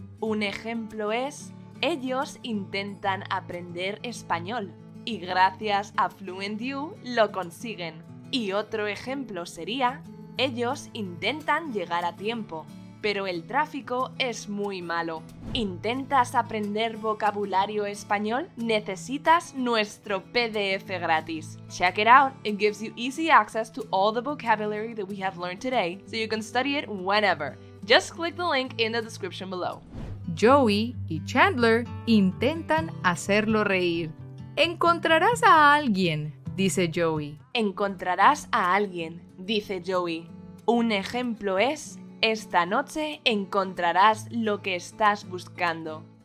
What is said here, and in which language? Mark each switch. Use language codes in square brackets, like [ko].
[es] Un ejemplo es, ellos intentan aprender español y gracias a FluentU lo consiguen. Y otro ejemplo sería, ellos intentan llegar a tiempo. Pero el tráfico es muy malo. ¿Intentas aprender vocabulario español? Necesitas nuestro PDF gratis. [en] Check it out. It gives you easy access to all the vocabulary that we have learned today, so you can study it whenever. Just click the link in the description below. [es] Joey y Chandler intentan hacerlo reír. Encontrarás a alguien, dice Joey. Encontrarás a alguien, dice Joey. Un ejemplo es, esta noche encontrarás lo que estás buscando.